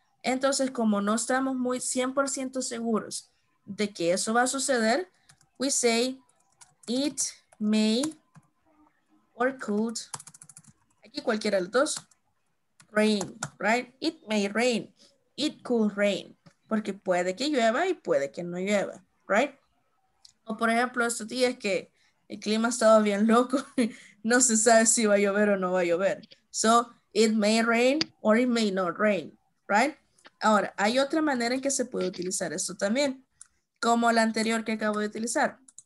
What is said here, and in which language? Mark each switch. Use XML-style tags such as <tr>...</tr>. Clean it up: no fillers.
<es>Entonces, como no estamos muy 100% seguros de que eso va a suceder, we say it may or could, aquí cualquiera de los dos, rain, right? It may rain, it could rain, porque puede que llueva y puede que no llueva, right? O por ejemplo, estos días que el clima ha estado bien loco, no se sabe si va a llover o no va a llover.</es> <en>So, it may rain or it may not rain, right?</en> <es>Ahora, hay otra manera en que se puede utilizar esto también, como la anterior que acabo de utilizar.</es>